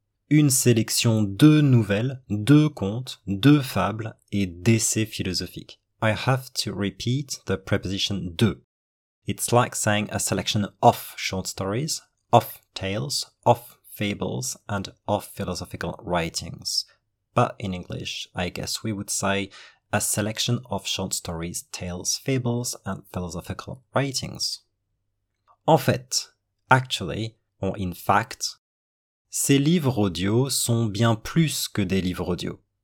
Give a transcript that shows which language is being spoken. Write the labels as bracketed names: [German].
[French] Une sélection de nouvelles, de contes, de fables et d'essais philosophiques. [English] I have to repeat the preposition de. It's like saying a selection of short stories, of tales, of fables and of philosophical writings. But in English, I guess we would say a selection of short stories, tales, fables and philosophical writings. [French] En fait, [English] actually, or in fact, [French] ces livres audio sont bien plus que des livres audio.